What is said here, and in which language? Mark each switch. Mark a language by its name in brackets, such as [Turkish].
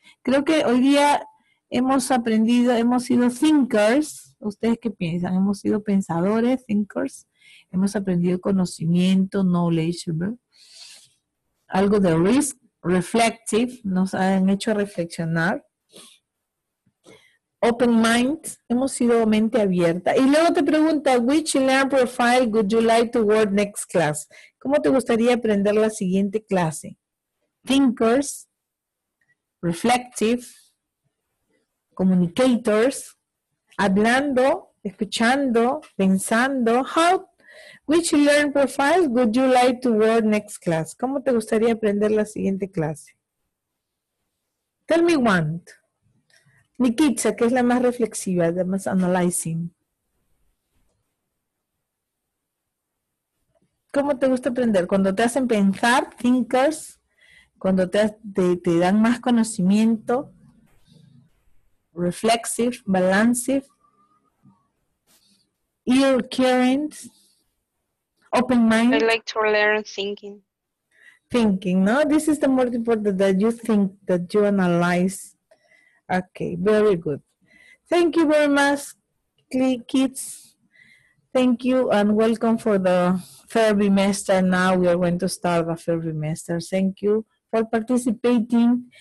[Spanish] Creo que hoy día hemos sido thinkers, ¿ustedes qué piensan? Hemos sido pensadores, thinkers, hemos aprendido conocimiento, knowledgeable, algo de risk, reflexive, nos han hecho reflexionar. [English] Open mind, [Spanish] hemos sido mente abierta. Y luego te pregunta, [English] which learner profile would you like to work next class? [Spanish] ¿Cómo te gustaría aprender la siguiente clase? [English] Thinkers, reflective, communicators, [Spanish] hablando, escuchando, pensando. [English] Which learner profile would you like to work next class? [Spanish] ¿Cómo te gustaría aprender la siguiente clase? [English] Tell me one. [Spanish] Nikitsa, que es la más reflexiva, la más analyzing. ¿Cómo te gusta aprender? Cuando te hacen pensar, thinkers, cuando te dan más conocimiento, [English] reflexive, balanced, ear current, open mind. I like to learn thinking. Thinking, [Spanish] no? [English] This is the most important, that you think, that you analyze. Okay, very good. Thank you very much, Click Kids. Thank you and welcome for the third bimester. Now we are going to start the third bimester. Thank you for participating.